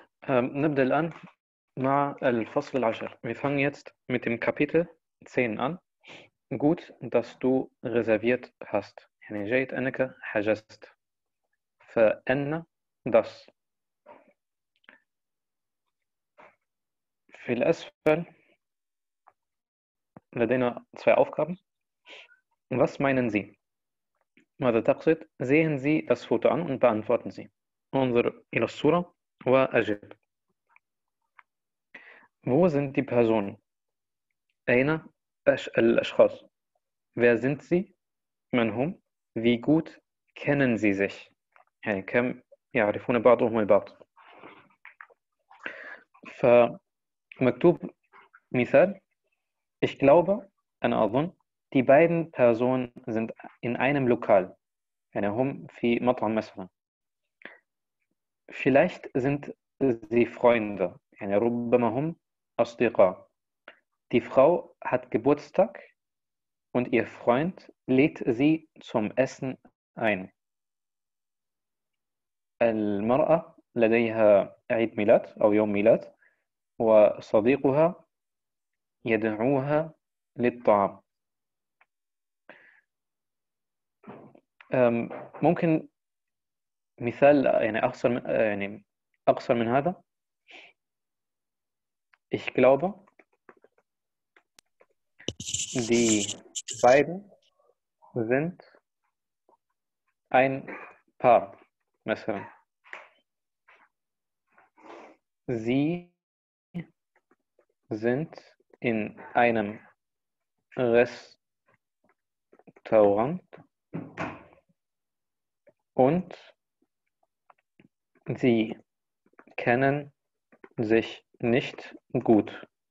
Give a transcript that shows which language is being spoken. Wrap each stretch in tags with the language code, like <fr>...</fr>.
<ar>نبدأ الآن مع الفصل العاشر.</ar> <de>Wir fangen jetzt mit dem Kapitel 10 an. Gut, dass du reserviert hast.</de> <ar>يعني جيد أنك حجزت. فإن</ar> <de>das.</de> <ar>في الأسفل لدينا</ar> <de>zwei Aufgaben. Was meinen Sie?</de> <ar>ماذا تقصد؟</ar> <de>Sehen Sie das Foto an und beantworten Sie.</de> <ar>انظر إلى الصورة. وأجب.</ar> <de>Wo sind die Personen?</de> <ar>أين الأشخاص?</ar> <de>Wer sind sie? Man</de> <ar>هم?</ar> <de>Wie gut kennen sie sich?</de> <ar>يعني كم يعرفون بعضهم البعض؟ فمكتوب مثال.</ar> <de>Ich glaube,</de> <ar>أنا أظن,</ar> <de>die beiden Personen sind in einem Lokal.</de> <ar>يعني هم في مطعم مثلا.</ar> <de>Vielleicht sind sie Freunde.</de> <ar>يعني ربما هم أصدقاء.</ar> <de>Die Frau hat Geburtstag und ihr Freund lädt sie zum Essen ein.</de> <ar>المرأة لديها عيد ميلاد أو يوم ميلاد وصديقها يدعوها للطعام. ممكن مثال يعني أقصر من يعني أقصر من هذا.</ar> <de>Ich glaube, die beiden sind ein Paar,</de> <ar>مثلا.</ar> <de>Sie sind in einem Restaurant und sie kennen sich nicht gut.</de>